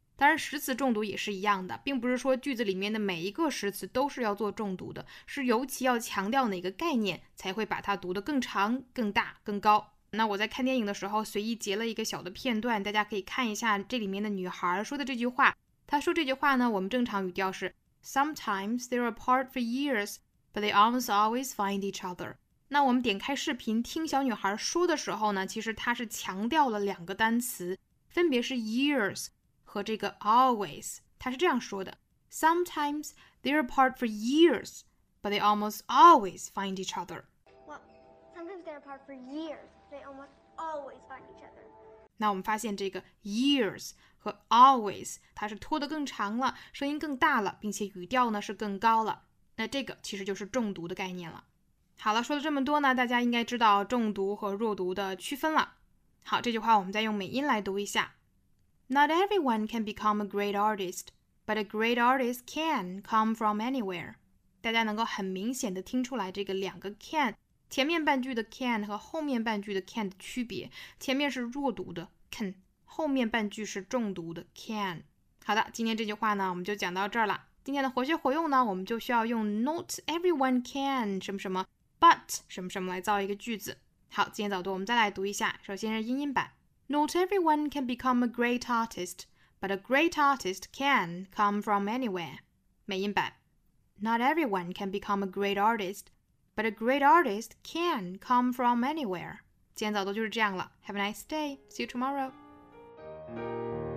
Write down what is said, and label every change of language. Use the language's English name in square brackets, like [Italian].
[Chinese] 当然实词重读也是一样的，并不是说句子里面的每一个实词都是要做重读的，是尤其要强调哪个概念才会把它读得更长更大更高。那我在看电影的时候随意截了一个小的片段，大家可以看一下这里面的女孩说的这句话。她说这句话呢，我们正常语调是 [English] Sometimes they're apart for years but they almost always find each other。 [Chinese] 那我们点开视频听小女孩说的时候呢，其实她是强调了两个单词，分别是 years和这个 always， 他是这样说的 ： [English] Sometimes they're apart for years, but they almost always find each other. Well, sometimes they're apart for years, they almost always find each other. [Chinese] 那我们发现这个 years 和 always 它是拖得更长了，声音更大了，并且语调呢是更高了。那这个其实就是重读的概念了。好了，说了这么多呢，大家应该知道重读和弱读的区分了。好，这句话我们再用美音来读一下。 [English] Not everyone can become a great artist, but a great artist can come from anywhere. [Chinese] 大家能够很明显的听出来这个两个 can, 前面半句的 can 和后面半句的 can 的区别。前面是弱读的 can, 后面半句是重读的 can。好的，今天这句话呢，我们就讲到这儿了。今天的活学活用呢，我们就需要用 [English] not everyone can [Chinese] 什么什么 but 什么什么来造一个句子。好，今天早读我们再来读一下，首先是英音版。 [English] Not everyone can become a great artist, but a great artist can come from anywhere. [Chinese] 美音版。 [English] Not everyone can become a great artist, but a great artist can come from anywhere. [Chinese] 今天早读就是这样了。 [English] Have a nice day. See you tomorrow.